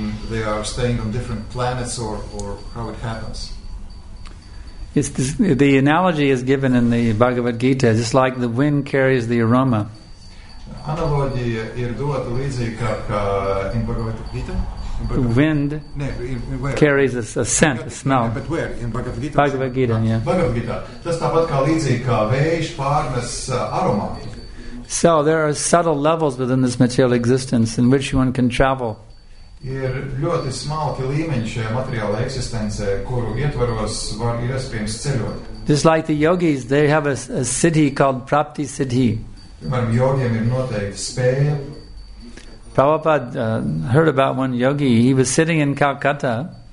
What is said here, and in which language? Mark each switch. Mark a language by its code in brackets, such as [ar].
[en] They are staying on different planets or how it happens? The analogy is given in the Bhagavad Gita, just like the wind carries the aroma. [lv] Analogija ir dota līdzīgi kā [en] in [lv] Bhagavad Gita. [en] The wind carries a scent, a smell. But where? In Bhagavad Gita? Bhagavad Gita, yeah. Bhagavad Gita. [lv] Tas tāpat kā līdzīgi kā vējš pārnes aroma. [en] So there are subtle levels within this material existence in which one can travel. [lv] Ir ļoti smalki līmeņi šajā materiālā eksistencē, kuru ietvaros var iespējams ceļot. [en] Just like the yogis, they have a city called Prapti Siddhi. [lv] Piemēram, yogiem ir noteikti spēja. [en] Prabhupada heard about one yogi. He was sitting in Calcutta.